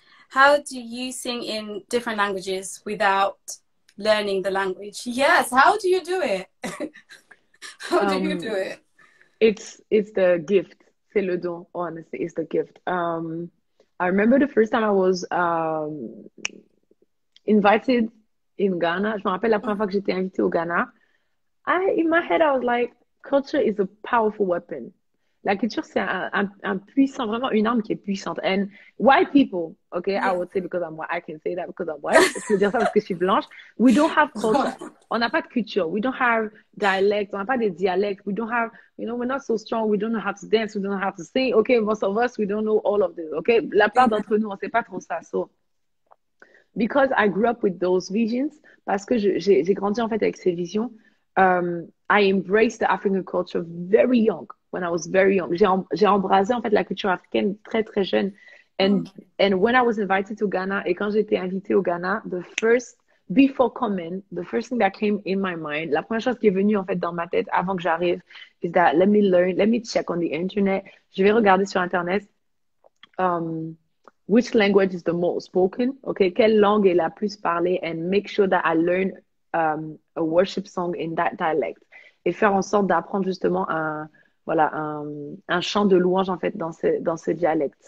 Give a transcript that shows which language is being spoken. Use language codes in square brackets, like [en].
[en] How do you sing in different languages without learning the language? Yes, how do you do it? How do you do it? It's the gift. [fr] C'est le don, [en] honestly, it's the gift. I remember the first time I was invited in Ghana. [fr] Je me rappelle la première fois que j'étais invitée au Ghana. [en] In my head, I was like, culture is a powerful weapon. [fr] La culture, c'est un puissant, vraiment une arme qui est puissante. [en] And white people, okay, I would say because I'm white, I can say that because I'm white. [fr] Je peux dire ça parce que je suis blanche. [en] We don't have culture. [fr] On n'a pas de culture. [en] We don't have dialect. [fr] On n'a pas de dialecte. [en] We don't have, you know, we're not so strong. We don't know how to dance. We don't know how to sing. Okay, most of us, we don't know all of this. [fr] Okay, la plupart d'entre nous, on ne sait pas trop ça. [en] So, because I grew up with those visions, [fr] parce que j'ai grandi en fait avec ces visions, [en] I embraced the African culture very young, when I was very young. [fr] J'ai embrasé en fait la culture africaine très, très jeune. [en] And when I was invited to Ghana, [fr] et quand j'étais invitée au Ghana, [en] Before coming, the first thing that came in my mind, [fr] la première chose qui est venue en fait dans ma tête avant que j'arrive, [en] is that let me learn, let me check on the internet. [fr] Je vais regarder sur internet, [en] which language is the most spoken, okay? [fr] Quelle langue est la plus parlée, [en] and make sure that I learn a worship song in that dialect. [fr] Et faire en sorte d'apprendre justement un chant de louange en fait dans ce dialecte.